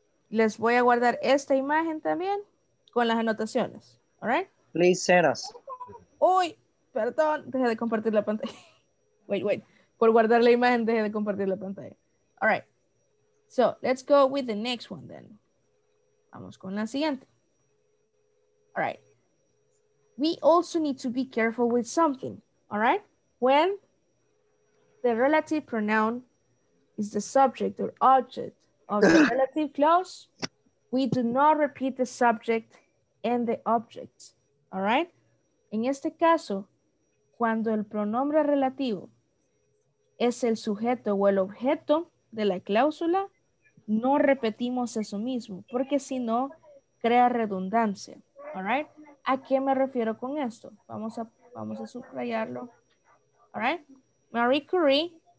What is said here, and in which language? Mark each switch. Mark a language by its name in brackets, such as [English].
[Spanish] les voy a guardar esta imagen también con las anotaciones. [English] All right? Please send us. [Spanish] Uy, perdón. Dejé de compartir la pantalla. [English] Wait, wait. [Spanish] Por guardar la imagen, dejé de compartir la pantalla. [English] All right. So, let's go with the next one then. [Spanish] Vamos con la siguiente. [English] All right. We also need to be careful with something. All right. When the relative pronoun is the subject or object of the relative clause, we do not repeat the subject and the object. All right. [Spanish] En este caso, cuando el pronombre relativo es el sujeto o el objeto de la cláusula, no repetimos eso mismo, porque si no, crea redundancia. [English] All right. [Spanish] ¿A qué me refiero con esto? Vamos a subrayarlo. All right. Marie Curie.